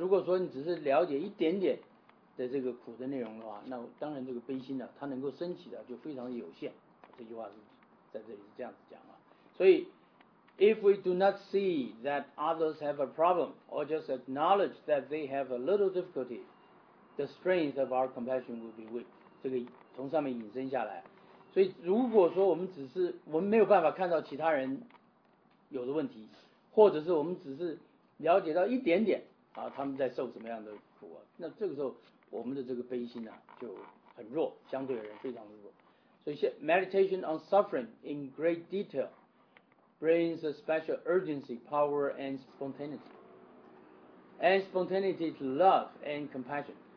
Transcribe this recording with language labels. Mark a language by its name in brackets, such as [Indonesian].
[Chinese] 如果说你只是了解一点点的这个苦的内容的话，那当然这个悲心呢、啊、它能够升起的就非常的有限。这句话是在这里是这样子讲啊。所以 [English] if we do not see that others have a problem or just acknowledge that they have a little difficulty, the strength of our compassion will be weak。 [Chinese] 这个从上面引申下来，所以如果说我们没有办法看到其他人有的问题，或者是我们只是了解到一点点啊，他们在受什么样的苦啊，那这个时候我们的这个悲心呢、啊、就很弱，相对而言非常的弱。所以 [English] meditation on suffering in great detail brings a special urgency, power and spontaneity, and spontaneity to love and compassion。